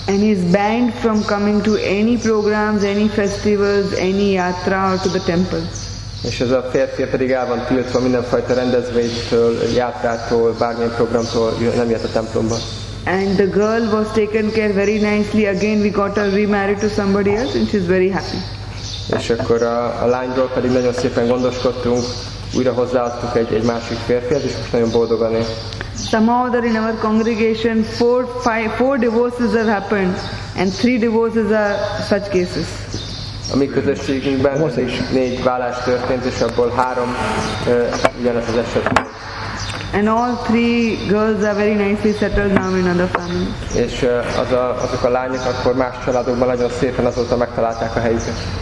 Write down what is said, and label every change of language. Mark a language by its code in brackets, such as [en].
[en] And he's banned from coming to any programs, any festivals, any yatra or to the temple. [hu] És ez a férfi pedig el van tiltva mindenfajta rendezvénytől, játrától, bármilyen programtól, nem jött a templomba. [en] And the girl was taken care very nicely. Again we got her remarried to somebody else and she's very happy. [hu] És akkor a lányról pedig nagyon szépen gondoskodtunk, újra hozzáadtuk egy másik férfihez, és most nagyon boldogan él. [en] Somehow there in our congregation four divorces have happened, and three divorces are such cases. [hu] A mi közösségünkben is négy válás történt, és abból három ugyanaz az eset. [en] And all three girls are very nicely settled now in other families. [hu] És azok a lányok akkor más családokban nagyon szépen azóta megtalálták a helyüket.